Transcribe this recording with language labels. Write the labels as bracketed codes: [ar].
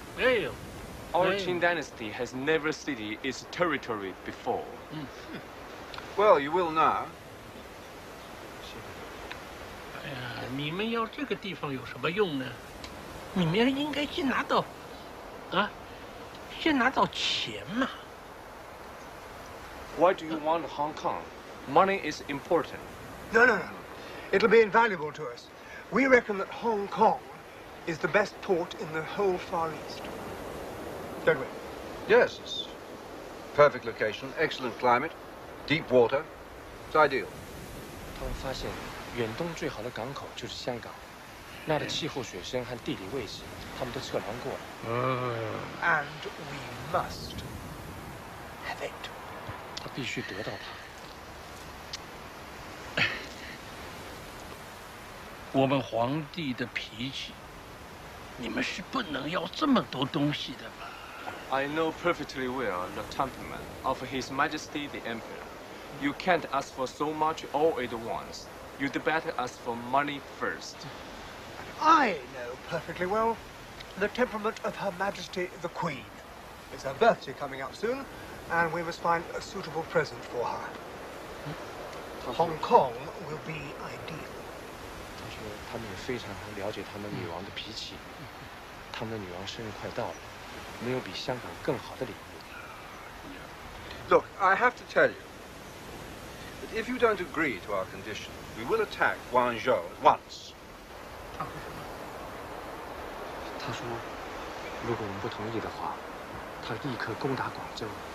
[en] 哎呦。 Our Qing dynasty has never ceded its territory before. Well, you will now. [zh] 哎呀，你们要这个地方有什么用呢？你们应该先拿到，啊，先拿到钱嘛。 [en] Why do you want Hong Kong? Money is important. No, no, no. It'll be invaluable to us. We reckon that Hong Kong is the best port in the whole Far East. Yes, it's perfect location, excellent climate, deep water, it's ideal. [zh] 他们发现远东最好的港口就是香港，那的气候、水深和地理位置，他们都测量过了。 [en] And we must have it. [zh] 他必须得到它。我们皇帝的脾气，你们是不能要这么多东西的吧？ [en] I know perfectly well the temperament of His Majesty the Emperor. You can't ask for so much all at once. You'd better ask for money first. And I know perfectly well the temperament of Her Majesty the Queen. It's her birthday coming up soon, and we must find a suitable present for her. Hong Kong will be ideal. [zh] 他说他们也非常了解他们女王的脾气。他们的女王生日快到了。没有比香港更好的礼物。 [en] Look, I have to tell you that if you don't agree to our condition, we will attack Guangzhou at once. [zh] 他说，如果我们不同意的话，他立刻攻打广州。